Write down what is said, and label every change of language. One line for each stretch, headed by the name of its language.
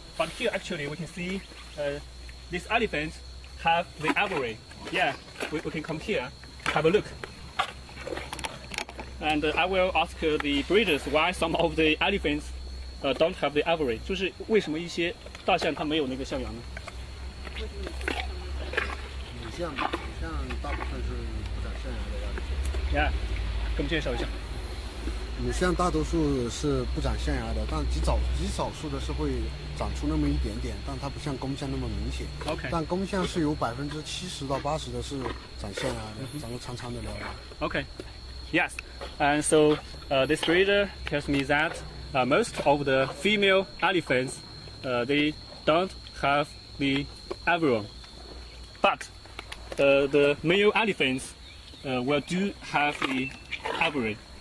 English: But here actually we can see these elephants have the ivory. Yeah, we can come here, have a look. And I will ask the breeders why some of the elephants don't have the ivory.
Chinese: 就是为什么一些大象它没有那个象牙呢？女象，女象大部分是不长象牙的呀。 Yeah， 给我们介绍一下。女象大多数是不长象牙的，但极少数的是会长出那么一点点，但它不像公象那么明显。
English: OK。
Chinese: 但公象是有70%-80%的是长象牙的，长得长长的獠牙。
English: OK。 Yes, and so this breeder tells me that most of the female elephants they don't have the ivory, but the male elephants do have the ivory.